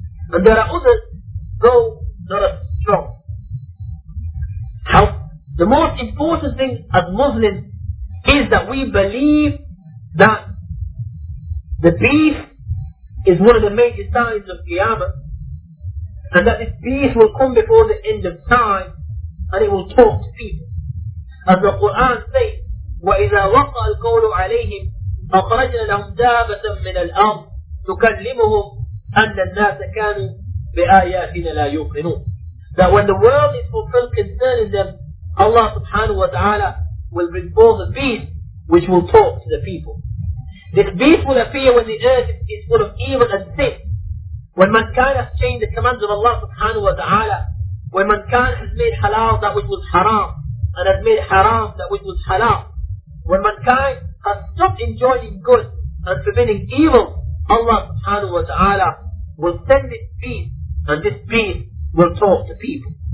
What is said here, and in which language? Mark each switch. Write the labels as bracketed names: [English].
[English] And there are others, though not as strong. How the most important thing as Muslims is that we believe that the beast is one of the major signs of Qiyamah, and that this beast will come before the end of time and it will talk to people. As the Quran says, [Arabic] وَإِذَا وَقَّى الْقَوْلُ عَلَيْهِمْ أَخْرَجْنَ لَهُمْ دَابَةً مِّنَ الْأَرْضِ تُكَلِّمُهُمْ أَنَّ النَّاسَ كَانُوا بِآيَاتِنَا لَا يُوقِنُونَ. [English] That when the world is fulfilled concerning them, Allah subhanahu wa ta'ala will bring forth a beast which will talk to the people. This beast will appear when the earth is full of evil and sin, when mankind has changed the commands of Allah subhanahu wa ta'ala, when mankind has made halal that which was haram and has made haram that which was halal, when mankind has stopped enjoying good and forbidding evil, Allah subhanahu wa ta'ala will send this beast, and this beast will talk to people.